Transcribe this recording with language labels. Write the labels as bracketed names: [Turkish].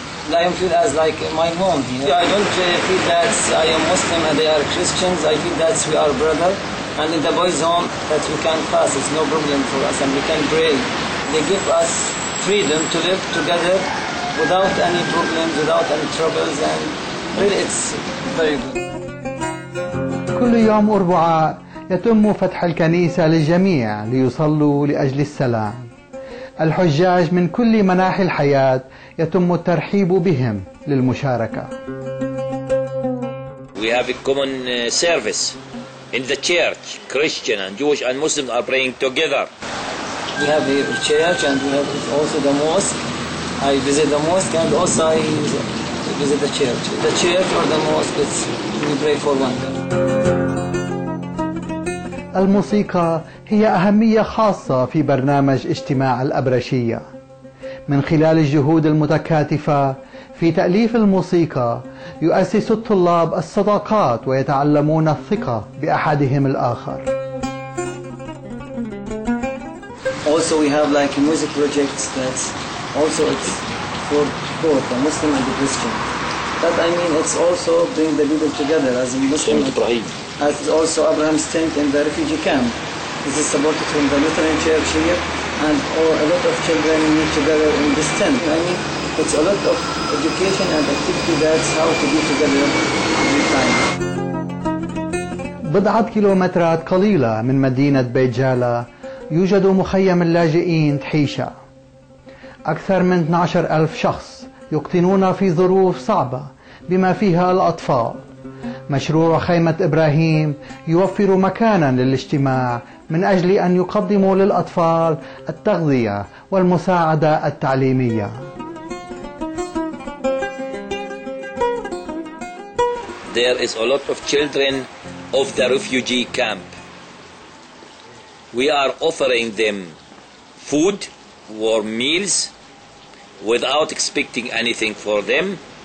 [English] I feel as like my home here. I don't feel that I am Muslim and they are Christians. I feel that we are brother. And in the boys' home, that we can pass, it's no problem for us, and we can pray. They give us freedom to live together without any problems, without any troubles, and really it's very good. [Arabic] كل يوم أربعاء يتم فتح الكنيسة للجميع ليصلوا لأجل السلام. الحجاج من كل مناحي الحياة يتم الترحيب بهم للمشاركة. [English] We have a common service in the church. Christian and Jewish and Muslim are praying together. We have a church and we have also the mosque. I visit the mosque and also I visit the church. The church or the mosque, it's, we pray for one God. [Arabic] الموسيقى هي أهمية خاصة في برنامج اجتماع الأبرشية. من خلال الجهود المتكاتفة في تأليف الموسيقى يؤسس الطلاب الصداقات ويتعلمون الثقة بأحدهم الآخر. [English] Also we have like a music project that also it's for both the Muslim and the Christian. But I mean it's also bring the people together as a Muslim. As also Abraham's tent in the refugee camp. This is supported from the Lutheran church here, and all, a lot of children meet together in this tent. I mean, it's a lot of education and activity that's how to be together in time. [Arabic] بضعة كيلومترات قليلة من مدينة بيت جالا يوجد مخيم اللاجئين تحيشة. أكثر من 12,000 شخص يقطنون في ظروف صعبة بما فيها الأطفال. مشروع خيمة إبراهيم يوفر مكانا للاجتماع من أجل أن يقدموا للأطفال التغذية والمساعدة التعليمية. [English] There is a lot of children of the refugee camp. We are offering them food, warm meals, without expecting anything for them.